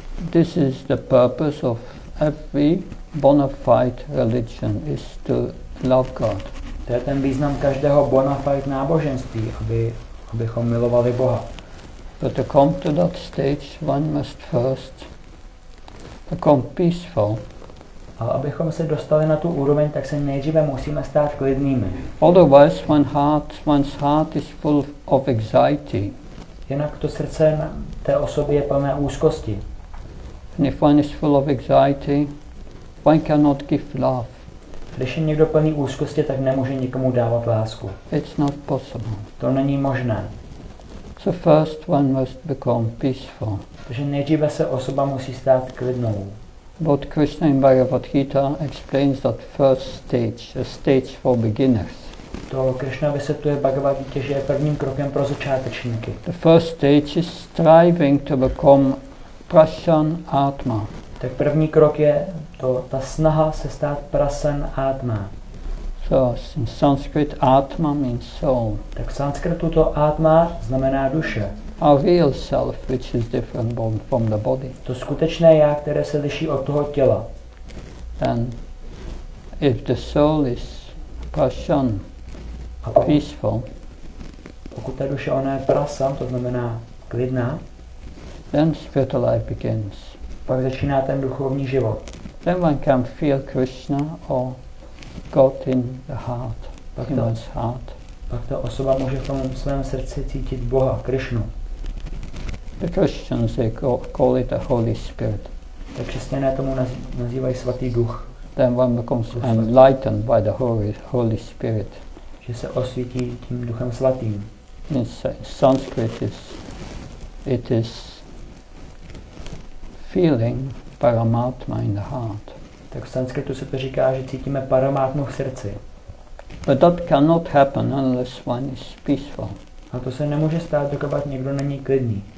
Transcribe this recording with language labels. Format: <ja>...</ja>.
<en>This is the purpose of every bona fide religion, is to love God.</en> <cs>To je ten význam každého bona fide náboženství, abychom milovali Boha.</cs> <en>But to come to that stage, one must first become peaceful.</en> <cs>A abychom se dostali na tu úroveň, tak se nejdříve musíme stát klidnými.</cs> <en>Otherwise one's heart is full of anxiety.</en> <cs>Jinak to srdce té osoby je plné úzkosti.</cs> <en>And if one is full of anxiety, one cannot give love.</en> <cs>Když je někdo plný úzkosti, tak nemůže nikomu dávat lásku.</cs> <en>It's not possible.</en> <cs>To není možné.</cs> <en>So first one must become peaceful.</en> <cs>Takže nejdříve se osoba musí stát klidnou.</cs> <en>Both Krishna in Bhagavad Gita explains that first stage, a stage for beginners.</en> <cs>To Krishna vysvětluje Bhagavad Gita, že je prvním krokem pro začátečníky.</cs> <en>The first stage is striving to become prasan atma.</en> <cs>Tak první krok je ta snaha se stát prasan atma.</cs> <en>So in Sanskrit atma means soul.</en> <cs>Tak v sanskritu to atma znamená duše.</cs> <en>Our real self, which is different from the body.</en> <cs>To skutečné já, které se liší od toho těla.</cs> <en>And if the soul is prasan, peaceful.</en> <cs>Pokud ta duše ona je prasan, to znamená klidná.</cs> <en>Then spiritual life begins.</en> <cs>Pak začíná ten duchovní život.</cs> <en>Then one can feel Krishna or God in the heart, in one's heart.</en> <cs>Pak ta osoba může v tom svém srdci cítit Boha, Krishnu.</cs> <en>The Christians they call it the Holy Spirit.</en> <cs>Tak křesťané tomu nazývají svatý duch.</cs> <en>Then one becomes enlightened by the Holy Spirit.</en> <cs>Že se osvítí tím duchem svatým.</cs> <en>In Sanskrit it is feeling paramatma in the heart.</en> <cs>Tak v sanskritu se to říká, že cítíme paramatmu v srdci.</cs> <en>But that cannot happen unless one is peaceful.</en> <cs>A to se nemůže stát, dokud někdo není klidný.</cs>